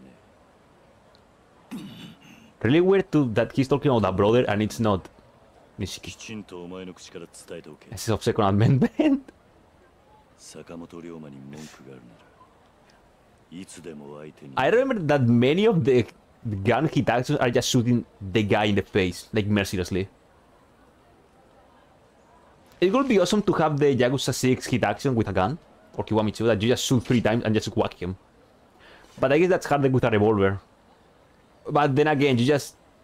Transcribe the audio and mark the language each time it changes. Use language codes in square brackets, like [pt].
[ja] お前は確かに強い。だが人が切りたくて金の塔にいるんだったら今すぐ抜けるんだな。竹地の兄弟が作った金の塔はそういう組織じゃねえ。 [en] Really weird to that he's talking about a brother and it's not Nishiki. [ja] きちんとお前の口から伝えておけ。 [en] This is of second amendment. [ja] 坂本龍馬に文句があるなら、いつでも相手に。 [en] I remember that many of the gun hit actions are just shooting the guy in the face, like mercilessly. It would be awesome to have the Yakuza 6 hit action with a gun, or Kiwami 2, that you just shoot 3 times and just whack him. But I guess that's harder with a revolver. But then again, you just...